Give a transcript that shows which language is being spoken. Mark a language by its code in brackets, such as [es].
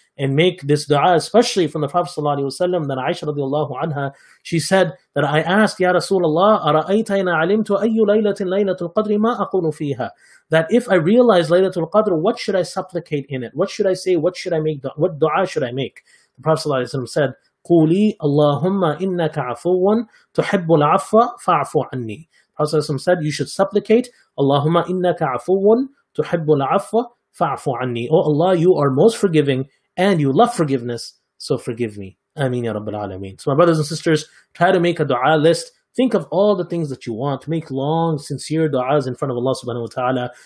[en] And make this dua, especially from the Prophet sallallahu alaihi wasallam, that Aisha radiallahu anha, she said that I asked, Ya Rasulullah, [ar] أَرَأَيْتَ إِنَ عَلِمْتُ أَيُّ لَيْلَةٍ لَيْلَةُ الْقَدْرِ مَا أَقُونُ فِيهَا. [en] That if I realize Laylatul Qadr, what should I supplicate in it? What should I say? What should I make? What dua should I make? The Prophet sallallahu alaihi wasallam said, [ar] قُولِي اللَّهُمَّ إِنَّكَ عَفُوٌّ تُحِبُّ الْعَفَّ فَاعْفُ عَنِّي. [en] The Prophet sallallahu alaihi wasallam said, you should supplicate, [ar] اللَّهُمَّ إِنَّكَ عَفُوٌّ تُحِبُّ الْعَفَّ فَاعْفُ عَنِّي. [en] Oh Allah, you are most forgiving and you love forgiveness, so forgive me. Ameen ya Rabbil Alameen. So my brothers and sisters, try to make a dua list. Think of all the things that you want. Make long, sincere du'as in front of Allah subhanahu wa ta'ala.